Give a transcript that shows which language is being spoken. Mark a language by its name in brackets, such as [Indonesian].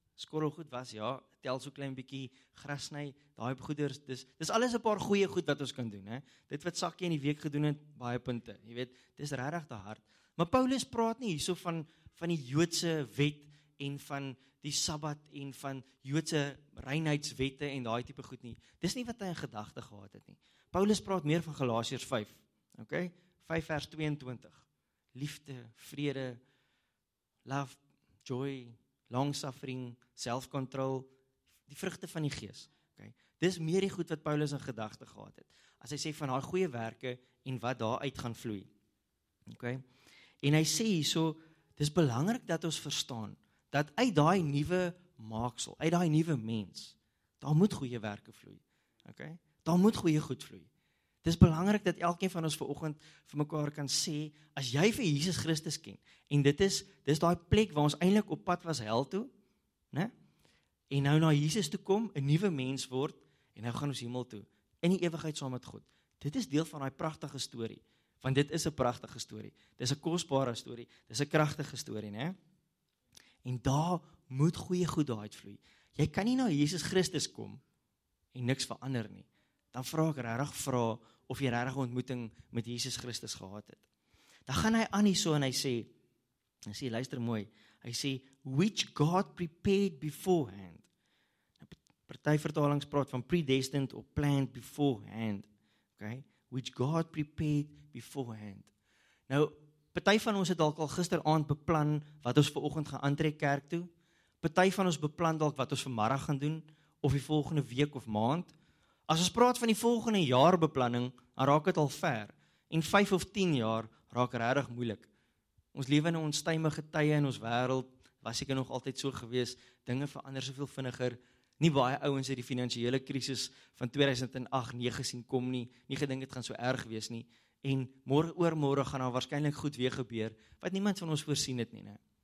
[Afrikaans] Skorrel goed was, ja, tel so klein bietjie gras sny, daai goeders, dis alles 'n paar goeie goed wat ons kan doen, hè. Dit wat Sakkie in die week gedoen het, baie punte. Jy weet, dis regtig te hard. Maar Paulus praat nie hierso van die Joodse wet en van die Sabbat en van Joodse reinheidswette en daai tipe goed nie. Dis nie wat hy in gedagte gehad het nie. Paulus praat meer van Galasiërs 5. OK? 5 vers 22. Liefde, vrede, [English] love, joy, longsuffering, self-control, [Afrikaans] die vrugte van die gees. Okay. Dis meer die goed wat Paulus in gedagte gehad het. As hy sê van haar goeie werke en wat daar uit gaan vloei. Okay. En hy sê hierso, dis belangrik dat ons verstaan, dat uit daai nuwe maaksel, uit daai nuwe mens, daar moet goeie werke vloei. Okay. Daar moet goeie goed vloei. Dis belangrik dat elkeen van ons vanoggend vir mekaar kan sê, as jy vir Jesus Christus ken, en dis daai plek waar ons eintlik op pad was hel toe, né? En nou na Jesus toe kom, 'n nuwe mens word, en nou gaan ons hemel toe, in die ewigheid saam met God. Dit is deel van daai pragtige storie, want dit is 'n pragtige storie. Dis 'n kosbare storie, dis 'n kragtige storie, né? En daar moet goeie goed daai uitvloei. Jy kan nie na Jesus Christus kom en niks verander nie. Dan vra ek regtig vra of jy regtig 'n ontmoeting met Jesus Christus gehad het. Dan gaan hy aan hierso en hy sê luister mooi. Hy sê [English] which God prepared beforehand. [Afrikaans] Party vertalings praat van predestined of [English] planned beforehand. [Afrikaans] Okay? [English] Which God prepared beforehand. [Afrikaans] Nou, party van ons het dalk al gisteraand beplan wat ons ver oggend gaan aantrek kerk toe. Party van ons beplan dalk wat ons vanmôre gaan doen of die volgende week of maand. As ons praat van die volgende jaar beplanning, dan raak dit al ver. En 5 of 10 jaar raak regtig moeilik. Ons lewe in 'n onstuimige tye in ons wêreld, was seker nog altyd so gewees, dinge verander soveel vinniger. Nie baie ouens het die finansiële krisis van 2008-09 gesien kom nie. Nie gedink dit gaan so erg wees nie. En môre oor môre gaan daar waarskynlik goed weer gebeur wat niemand van ons voorsien het nie, né?